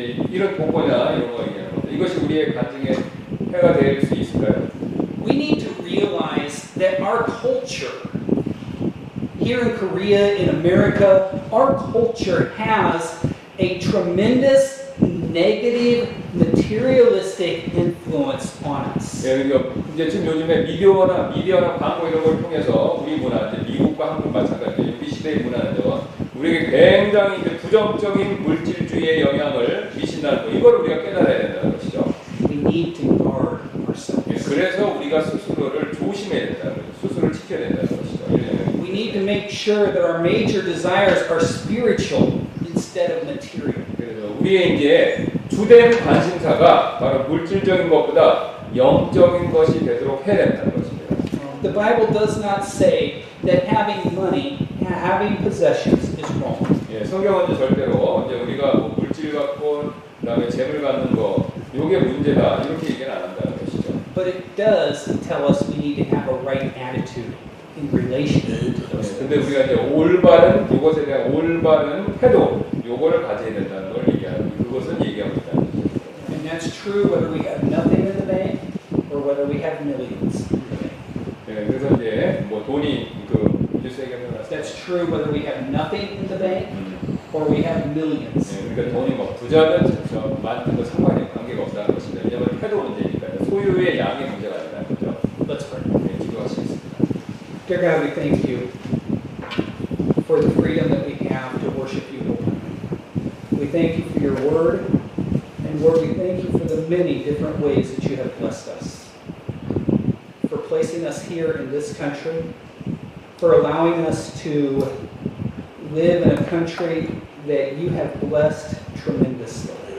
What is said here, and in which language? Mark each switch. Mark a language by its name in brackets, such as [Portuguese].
[Korean] 이런 복권이나 이런 거 얘기하는 거 이것이 우리의 간증에 해가 될 수 있을까요? [English] We need to realize that our culture here in Korea, in America, our culture has a tremendous negative materialistic influence on us. [Korean] 예, 이제 지금 요즘에 미디어나 광고 이런 걸 통해서 우리 문화, 미국과 한국 마찬가지로 우리 시대의 문화죠. 우리에게 굉장히 이제 부정적인 물질주의의 영향을 미친다는 거, 이걸 우리가 깨달아야 된다는 것이죠. [English] We need to guard ourselves. [Korean] 그래서 우리가 스스로를 조심해야 된다는 거죠. 스스로를 지켜야 된다는 것이죠. [English] We need to make sure that our major desires are spiritual instead of material. [Korean] 그래서 우리의 이제 주된 관심사가 바로 물질적인 것보다 영적인 것이 되도록 해야 된다는 것입니다. [English] The Bible does not say that having money, having possessions is wrong. [Korean] 예, 성경은 절대로 이제 우리가 뭐 물질 갖고 그다음에 재물 갖는 거 이게 문제다 이렇게 얘기는 안 한다는 것이죠. [English] But it does tell us we need to have a right attitude in relation to those. [Korean] 근데 우리가 이제 올바른 이것에 대한 올바른 태도 이거를 가져야 된다는 걸 얘기하는 그것은 얘기하고 있다는 거죠. [English] And that's true whether we have nothing in the bank or whether we have millions. [Korean] 예, 그래서 이제 뭐 돈이 그 [English] That's true whether we have nothing in the bank or we have millions. [Korean] 예, 그러니까 돈이 뭐 부자든 저 많든 뭐 상관이 관계가 없다는 것입니다. 왜냐하면 태도 문제니까요. 소유의 양이 문제가 아니라는 거죠. [English] Let's pray. [Korean] 예, 기도하시겠습니다. [English] Dear God, we thank you for the freedom that we have to worship you, Lord. We thank you for your word, and Lord, we thank you for the many different ways that you have blessed us, for placing us here in this country, for allowing us to live in a country that you have blessed tremendously.